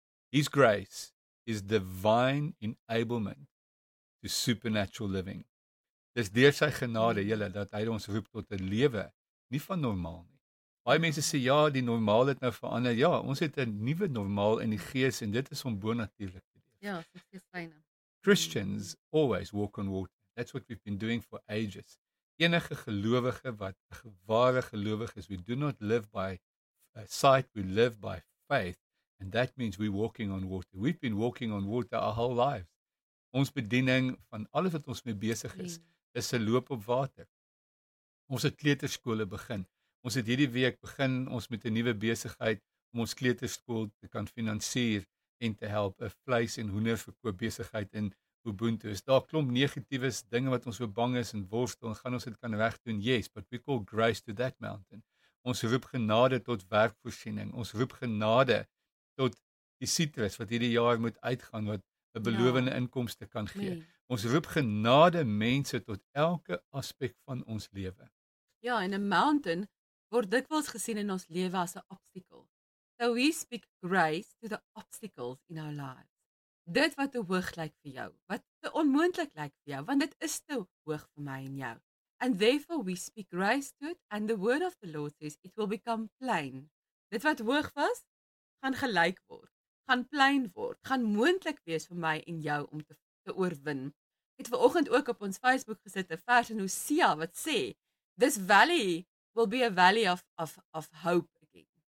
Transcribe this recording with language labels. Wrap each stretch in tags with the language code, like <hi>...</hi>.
<en>His grace is divine enablement to supernatural living.</en> <af>Dis deur sy genade, julle, dat hy ons roep tot 'n lewe, nie van normaal nie. Baie mense sê, ja, die normaal het nou verander. Ja, ons het 'n nuwe normaal in die gees en dit is om bonatuurlik te leef. Ja, dis gesyne.</af> <en>Christians always walk on water. That's what we've been doing for ages.</en> <af>Enige gelowige wat 'n ware gelowige is,</af> <en>we do not live by sight, we live by faith. And that means we're walking on water. We've been walking on water our whole lives.</en> <af>Ons bediening van alles wat ons mee besig is, is 'n loop op water. Ons het kleuterskole begin. Ons het hierdie week begin ons met 'n nuwe besigheid om ons kleuterskool te kan finansier en te help 'n vleis en hoender verkoop besigheid in Ubuntu. Is daar klomp negatiewe dinge wat ons so bang is en worstel en gaan ons dit kan regdoen?</af> <en>Yes, but we call grace to that mountain.</en> <af>Ons roep genade tot werkvoorsiening. Ons roep genade tot die sitrus wat hierdie jaar moet uitgaan wat 'n belowende inkomste kan gee. Nee. Ons roep genade mense tot elke aspek van ons lewe. Ja, en 'n mountain word dikwels gesien in ons lewe as 'n obstacle.</af> <en>So we speak grace to the obstacles in our lives.</en> <af>Dit wat te hoog lyk vir jou, wat te onmoontlik lyk vir jou, want dit is te hoog vir my en jou.</af> <en>And therefore we speak grace to it, and the word of the Lord says it will become plain.</en> <af>Dit wat hoog was, gaan gelyk word, gaan plain word, gaan moontlik wees vir my en jou om te oorwin. Het vanoggend ook op ons Facebook gesit 'n vers in Hosea wat sê,</af> <en>this valley will be a valley of hope again.</en>